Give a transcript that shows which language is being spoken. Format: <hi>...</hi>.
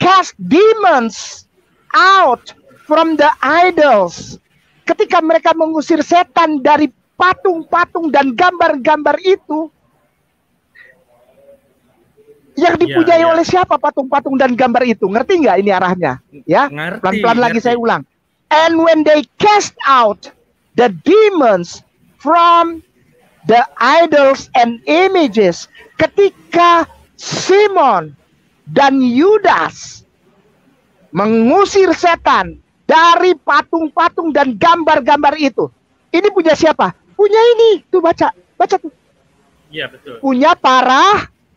<en>Cast demons out from the idols.</en> <id>Ketika mereka mengusir setan dari patung-patung dan gambar-gambar itu. Yang dipunyai oleh siapa patung-patung dan gambar itu? Ngerti nggak ini arahnya? Ya? Ngerti. Pelan-pelan ngerti. Lagi saya ulang.</id> <en>And when they cast out the demons from the idols and images.</en> <id>Ketika Simon dan Yudas mengusir setan dari patung-patung dan gambar-gambar itu. Ini punya siapa? Punya ini. Tuh baca. Baca tuh. Iya betul. Punya para.</id>